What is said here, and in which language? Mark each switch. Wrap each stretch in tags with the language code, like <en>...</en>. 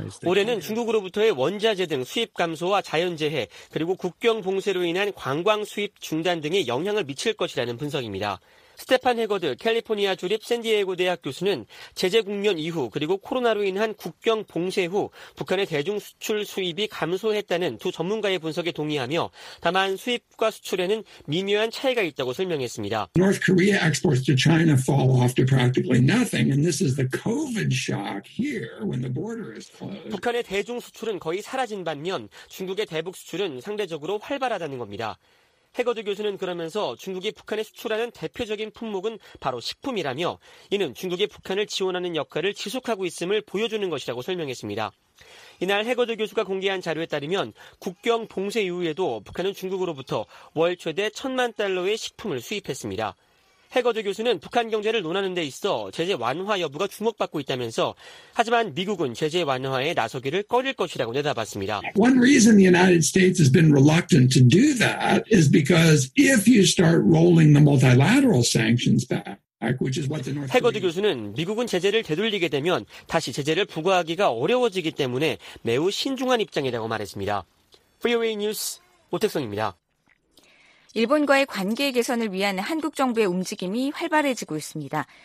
<ko>올해는 중국으로부터의 원자재 등 수입 감소와 자연재해, 그리고 국경 봉쇄로 인한 관광 수입 중단 등이 영향을 미칠 것이라는 분석입니다. 스테판 해거드 캘리포니아 주립 샌디에고 대학 교수는 제재 국면 이후 그리고 코로나로 인한 국경 봉쇄 후 북한의 대중 수출 수입이 감소했다는 두 전문가의 분석에 동의하며 다만 수입과 수출에는 미묘한 차이가 있다고 설명했습니다.</ko> <en>North Korea exports to China fall off to practically nothing and this is the COVID shock here when the border is closed.</en> <ko>북한의 대중 수출은 거의 사라진 반면 중국의 대북 수출은 상대적으로 활발하다는 겁니다. 해거드 교수는 그러면서 중국이 북한에 수출하는 대표적인 품목은 바로 식품이라며 이는 중국이 북한을 지원하는 역할을 지속하고 있음을 보여주는 것이라고 설명했습니다. 이날 해거드 교수가 공개한 자료에 따르면 국경 봉쇄 이후에도 북한은 중국으로부터 월 최대 1천만 달러의 식품을 수입했습니다. 해거드 교수는 북한 경제를 논하는 데 있어 제재 완화 여부가 주목받고 있다면서 하지만 미국은 제재 완화에 나서기를 꺼릴 것이라고 내다봤습니다.</ko> <en>One reason the United States has been reluctant to do that is because if you start rolling the multilateral sanctions back,</en> <ko>해거드 교수는 미국은 제재를 되돌리게 되면 다시 제재를 부과하기가 어려워지기 때문에 매우 신중한 입장이라고 말했습니다. VOA 뉴스 오택성입니다. 일본과의 관계 개선을 위한 한국 정부의 움직임이 활발해지고 있습니다.</ko>